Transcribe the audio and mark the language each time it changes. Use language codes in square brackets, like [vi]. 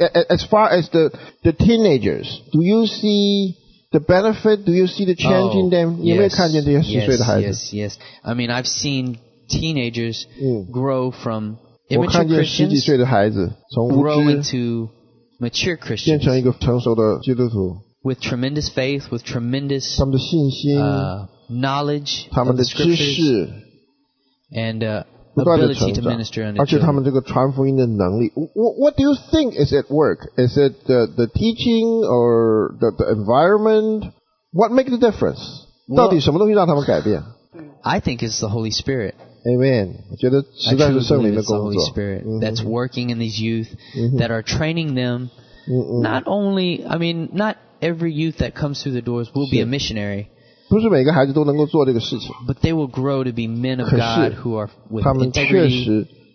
[en] As far as the teenagers, do you see the benefit? Do you see the change in them? Yes, [zh] 有没有看见这些十岁的孩子？ [en] Yes. I mean, I've seen teenagers grow from immature Christians. [zh] 我看见十几岁的孩子从无知 [en] Mature Christians with tremendous faith, with tremendous [zh] 他们的信心, [en] knowledge, [zh] 他们的知识, [en] and ability to minister under [zh] 而且他们这个传福音的能力。 [en] What do you think is at work? Is it the teaching or the environment? What makes the difference? Well, [zh] 到底什么东西让他们改变? [en] I think it's the Holy Spirit. Amen. I truly believe it's the Holy Spirit that's working in these youth, that are training them. Not only, I mean, not every youth that comes through the doors will be a missionary. But they will grow to be men of God who are with integrity.